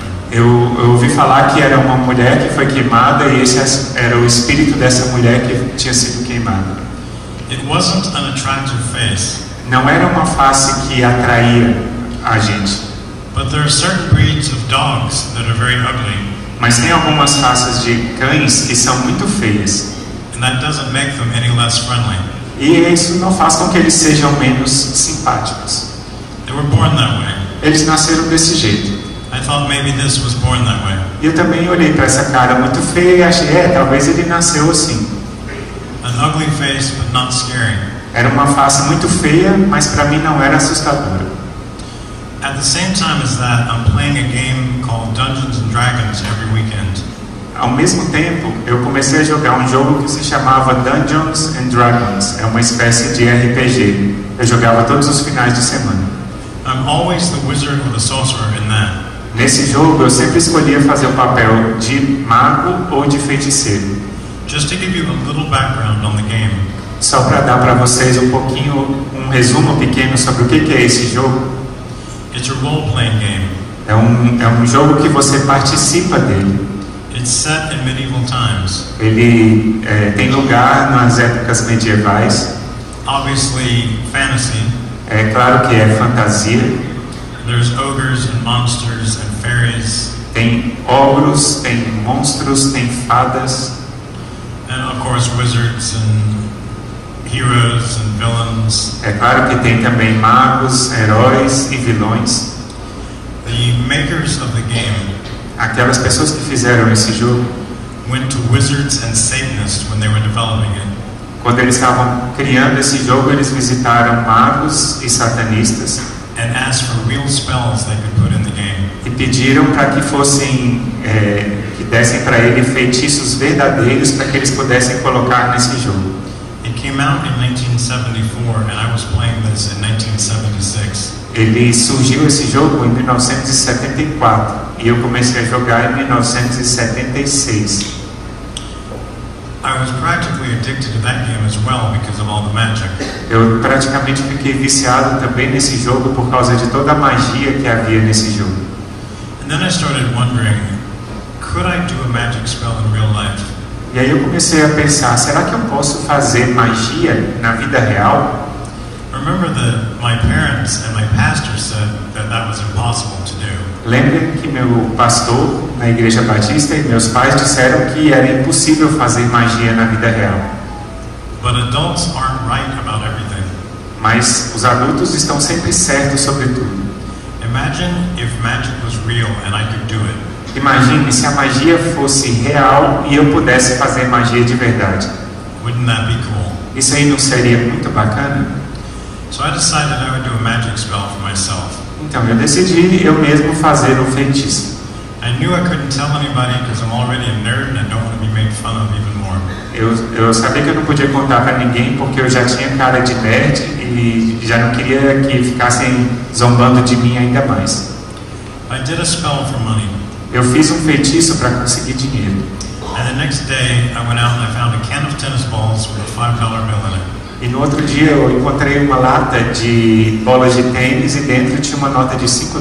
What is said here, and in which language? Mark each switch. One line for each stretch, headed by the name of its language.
Portuguese: Eu ouvi falar que era uma mulher que foi queimada e esse era o espírito dessa mulher que tinha sido queimada.
English: It wasn't an attractive face.
Portuguese: Não era uma face que atraía a gente.
English: But there are certain breeds of dogs that are very ugly.
Portuguese: Mas tem algumas faces de cães que são muito feias.
English: And that doesn't make them any less friendly.
Portuguese: E isso não faz com que eles sejam menos simpáticos.
English: They were born that way.
Portuguese: Eles nasceram desse jeito.
English: I thought maybe this was born that way.
Portuguese: E eu também olhei para essa cara muito feia e achei, talvez ele nasceu assim.
English: An ugly face, but not scary.
Portuguese: Era uma face muito feia, mas para mim não era assustadora.
English: At the same time as that, I'm playing a game called Dungeons and Dragons every weekend.
Portuguese: Ao mesmo tempo, eu comecei a jogar um jogo que se chamava Dungeons and Dragons. É uma espécie de RPG. Eu jogava todos os finais de semana.
English: I'm always the wizard or the sorcerer in that.
Portuguese: Nesse jogo, eu sempre escolhia fazer o papel de mago ou de feiticeiro.
English: Just to give you a little background on the game.
Portuguese: Só para dar para vocês um resumo pequeno sobre o que é esse jogo.
English: It's a role-playing game.
Portuguese: É um jogo que você participa dele.
English: It's set in medieval times.
Portuguese: Ele tem lugar nas épocas medievais.
English: Obviously, fantasy.
Portuguese: É claro que é fantasia.
English: There's ogres and monsters and fairies.
Portuguese: Tem ogros, tem monstros, tem fadas.
English: And of course, wizards and heroes and villains.
Portuguese: É claro que tem também magos, heróis e vilões.
English: The makers of the game.
Portuguese: Aquelas pessoas que fizeram esse jogo
English: went to wizards and Satanists when they were developing it.
Portuguese: Quando eles estavam criando esse jogo, eles visitaram magos e satanistas
English: and asked for real spells they could put in the game.
Portuguese: E pediram para que fossem que dessem para ele feitiços verdadeiros para que eles pudessem colocar nesse jogo.
English: It came out in 1974 and I was playing this in 1976.
Portuguese: Ele surgiu esse jogo em 1974 e eu comecei a jogar em 1976.
English: I was practically addicted to that game as well because of all the magic.
Portuguese: Eu praticamente fiquei viciado também nesse jogo por causa de toda a magia que havia nesse jogo.
English: And then I started wondering, could I do a magic spell in real life?
Portuguese: E aí eu comecei a pensar, será que eu posso fazer magia na vida real?
English: Remember that my parents and my pastor said that that was impossible to do.
Portuguese: Lembrem que meu pastor na igreja batista e meus pais disseram que era impossível fazer magia na vida real.
English: But adults aren't right about everything.
Portuguese: Mas os adultos estão sempre certos sobre tudo.
English: Imagine if magic was real and I could do it.
Portuguese: Imagine se a magia fosse real e eu pudesse fazer magia de verdade.
English: Wouldn't that be cool?
Portuguese: Isso aí não seria muito bacana?
English: So I decided I would do a magic spell for myself.
Portuguese: Então eu decidi eu mesmo fazer um feitiço.
English: I knew I couldn't tell anybody because I'm already a nerd and I don't want to be made fun of even more.
Portuguese: Eu sabia que eu não podia contar para ninguém porque eu já tinha cara de nerd e já não queria que ficassem zombando de mim ainda mais.
English: I did a spell for money.
Portuguese: Eu fiz um feitiço para conseguir dinheiro.
English: And the next day I went out and I found a can of tennis balls with a $5 bill in it.
Portuguese: E no outro dia eu encontrei uma lata de bolas de tênis e dentro tinha uma nota de $5.